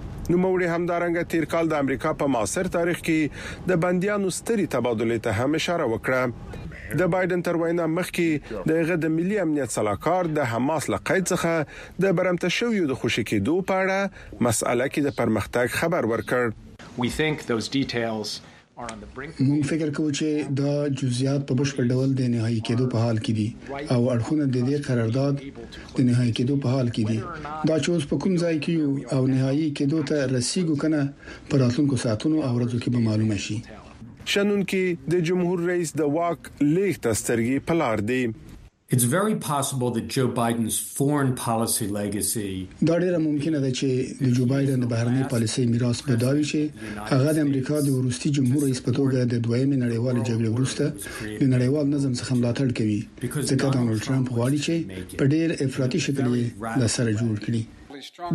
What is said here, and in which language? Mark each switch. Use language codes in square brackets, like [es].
[ps] نوموړي همدارنګه تیر کال د امریکا په معاصر تاریخ کې د بندیانو سترې تبادلې ته هم اشاره وکړه. د بایدن تر وینا مخکې د هغه د ملي امنیت سلاکار د حماس له قید څخه د برمته شویو د خوشي کېدو په اړه مسأله کې د پرمختګ خبر ورکړ. [en] We think those details are on the brink. [ps] مون فکر کوو چې دا جزئیات په بشپړ ډول د نهایي کېدو په حال کې دي، او اړخونه د دې قرارداد د نهایي کېدو په حال کې دي. دا چې اوس په کوم ځای کې یو او نهایي کېدو ته رسیدو کنه په راتلونکو ساعتونو او ورځو کې به معلومه شي. شنن کې د جمهور رئیس د واک لیک ته سترګې په لار دي. [en] It's very possible that Joe Biden's foreign policy legacy [ps] دا ډېر ممکنه ده چې د جو بایدن د بهرنی پالیسۍ میراث به دا وي چې هغه د امریکا د وروستي جمهور رئیس په توګه د دویمې نړیوالې جګړې وروسته د نړیوال نظم څخه ملاتړ کوي، ځکه ډونالډ ټرمپ غواړي چې په ډېر افراطي شکل یې دا سره جوړ کړي.